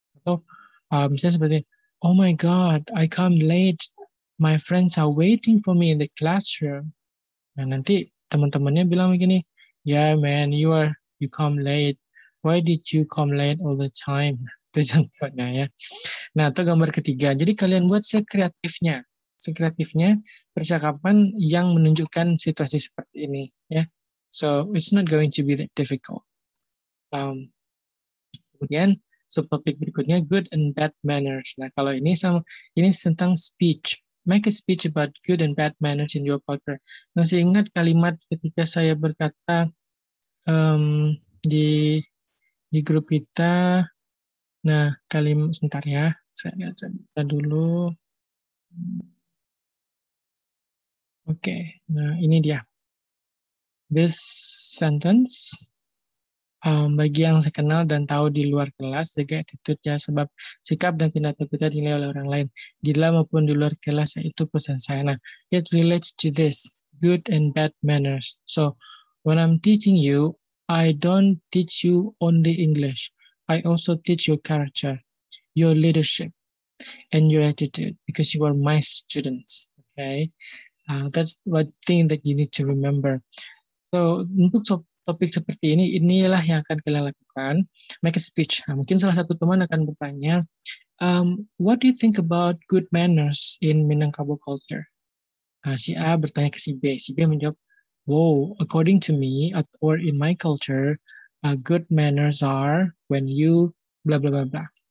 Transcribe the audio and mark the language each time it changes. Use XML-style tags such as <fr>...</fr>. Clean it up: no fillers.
<en>Atau misalnya seperti, oh my God, I come late. My friends are waiting for me in the classroom. Nah, nanti teman-temannya bilang begini, yeah, man, you come late. Why did you come late all the time?</en> <id>Itu contohnya ya. Nah, itu gambar ketiga. Jadi kalian buat sekreatifnya. Sekreatifnya percakapan yang menunjukkan situasi seperti ini. Ya.</id> <en>So, it's not going to be that difficult.</en> <id>Kemudian, subtopik berikutnya, good and bad manners. Nah, kalau ini sama, ini tentang speech.</id> <en>Make a speech about good and bad manners in your culture.</en> <id>Masih ingat kalimat ketika saya berkata di grup kita. Nah, kalimat sebentar ya. Saya lihat cerita dulu. Oke, nah ini dia. This sentence. Bagi yang saya kenal dan tahu di luar kelas, jaga attitude-nya sebab sikap dan tindak kita dinilai oleh orang lain. Di dalam maupun di luar kelas, itu pesan saya.</id> <en>Nah, it relates to this, good and bad manners. So, when I'm teaching you, I don't teach you only English. I also teach your character, your leadership, and your attitude because you are my students. Okay, that's one thing that you need to remember.</en> <id>So, untuk topik seperti ini, inilah yang akan kalian lakukan.</id> <en>Make a speech. Nah, mungkin salah satu teman akan bertanya, what do you think about good manners in Minangkabau culture? Si A bertanya ke si B. Si B menjawab, wow, according to me, or in my culture, good manners are when you bla bla bla bla.</en>